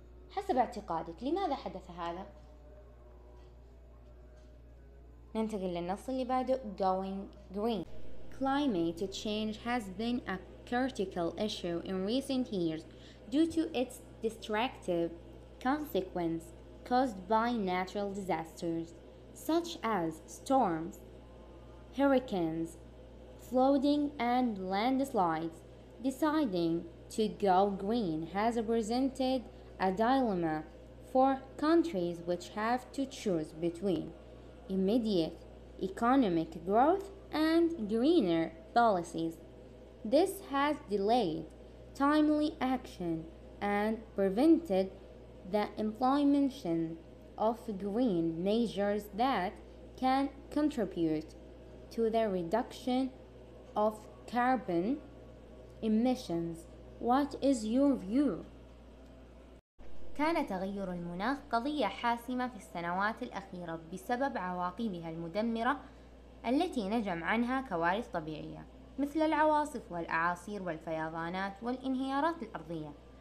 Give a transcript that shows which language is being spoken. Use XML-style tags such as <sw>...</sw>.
<ar>حسب اعتقادك لماذا حدث هذا؟ ننتقل للنص اللي بعده.</ar> <en>Going green. Climate change has been a critical issue in recent years due to its destructive consequence caused by natural disasters such as storms, hurricanes, flooding and landslides. Deciding to go green has presented a dilemma for countries which have to choose between immediate economic growth and greener policies. This has delayed timely action and prevented the implementation of green measures that can contribute to the reduction of carbon emissions. What is your view?</en> <ar>كان تغير المناخ قضية حاسمة في السنوات الأخيرة بسبب عواقبها المدمرة التي نجم عنها كوارث طبيعية مثل العواصف والأعاصير والفيضانات والانهيارات الأرضية.</ar>